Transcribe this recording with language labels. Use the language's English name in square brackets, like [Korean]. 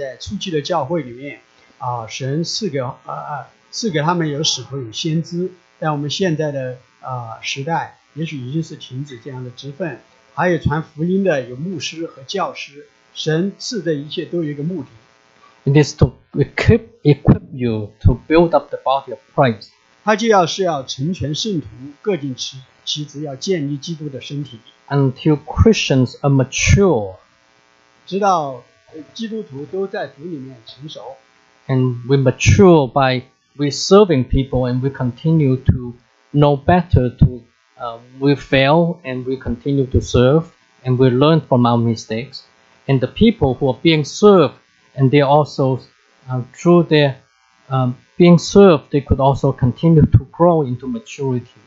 [Chinese] 我们在读的以弗所第四章里头，我们看见在初期的教会里面， 神赐给他们有使徒与先知， 但我们现在的, 时代, 也许已经是停止这样的职分, 还有传福音的, 有牧师和教师, 神赐的一切都有一个目的。 [English] It is to equip you to build up the body of Christ. [Chinese] 他就要是要成全圣徒，各尽其职，要建立基督的身体。 [English] Until Christians are mature. [Chinese] 直到基督徒都在主里面成熟。 [English] And we mature by we serving people and we continue to know better to we fail and we continue to serve and we learn from our mistakes. And the people who are being served and they also through their being served, they could also continue to grow into maturity.